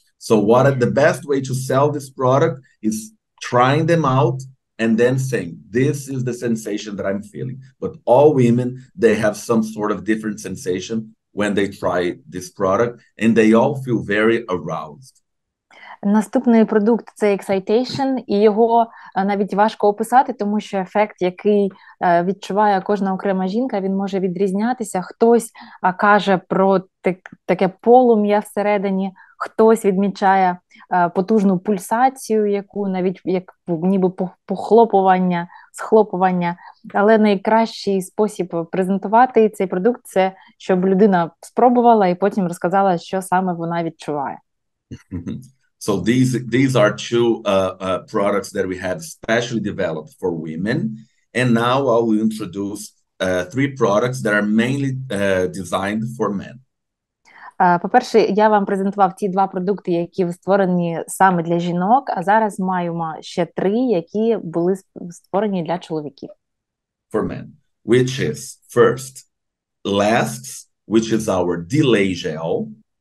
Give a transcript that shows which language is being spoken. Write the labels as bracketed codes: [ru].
[en] So what the best way to sell this product is trying them out and then saying, this is the sensation that I'm feeling. But all women, they have some sort of different sensation when they try this product, and they all feel very aroused. [uk] Наступний продукт – це excitation, і його навіть важко описати, тому що ефект, який відчуває кожна окрема жінка, він може відрізнятися. Хтось каже про таке полум'я всередині, хтось відмічає потужну пульсацію, яку навіть як ніби похлопування, схлопування. Але найкращий спосіб презентувати цей продукт – це щоб людина спробувала і потім розказала, що саме вона відчуває. [en] So these are two products that we have specially developed for women. And now I will introduce three products that are mainly designed for men. [uk] По-перше, я вам презентував ті два продукти, які створені саме для жінок, а зараз маємо ще три, які були створені для чоловіків. [en] For men, which is first, lasts, which is our delay gel.